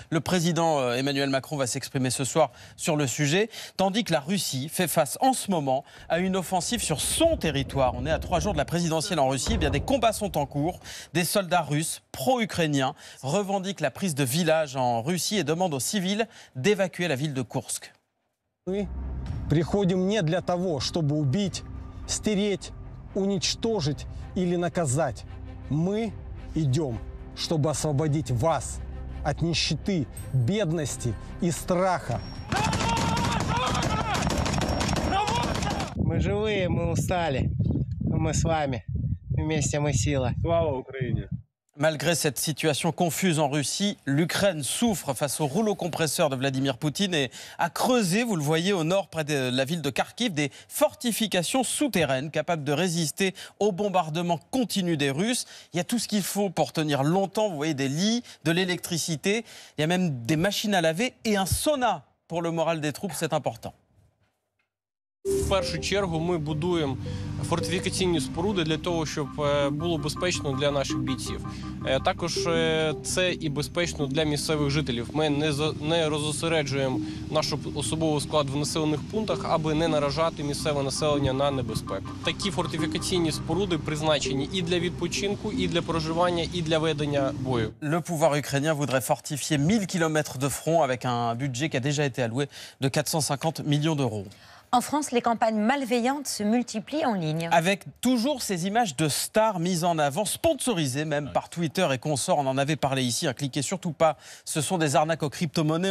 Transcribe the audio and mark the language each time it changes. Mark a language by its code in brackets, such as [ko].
[fr] Le président Emmanuel Macron va s'exprimer ce soir sur le sujet, tandis que la Russie fait face en ce moment à une offensive sur son territoire. On est à 3 jours de la présidentielle en Russie, et bien des combats sont en cours. Des soldats russes pro-ukrainiens revendiquent la prise de villages en Russie et demandent aux civils d'évacuer la ville de Koursk. [ru] Nous приходим не для того, чтобы убить, стереть, уничтожить или наказать. Мы идем, чтобы освободить вас от нищеты, бедности и страха. Мы живые, мы устали. Мы с вами. Вместе мы сила. Слава Украине! [fr] Malgré cette situation confuse en Russie, l'Ukraine souffre face au rouleau compresseur de Vladimir Poutine et a creusé, vous le voyez au nord près de la ville de Kharkiv, des fortifications souterraines capables de résister aux bombardements continus des Russes. Il y a tout ce qu'il faut pour tenir longtemps, vous voyez des lits, de l'électricité, il y a même des machines à laver et un sauna pour le moral des troupes, c'est important. [uk] першу чергу ми будуємо фортифікаційні споруди для того, щоб було безпечно для наших бійців. Також це і безпечно для місцевих жителів. Ми не розосереджуємо наш особовий склад в населених пунктах, аби не наражати місцеве населення на небезпеку. Такі фортифікаційні споруди призначені і для відпочинку, і для проживання, і для ведення бою. [fr] Le pouvoir ukrainien voudrait fortifier 1000 km de front avec un budget qui a déjà été alloué de 450 millions d'euros. En France, les campagnes malveillantes se multiplient en ligne. Avec toujours ces images de stars mises en avant, sponsorisées même par Twitter et consorts. On en avait parlé ici, hein, cliquez surtout pas. Ce sont des arnaques aux crypto-monnaies.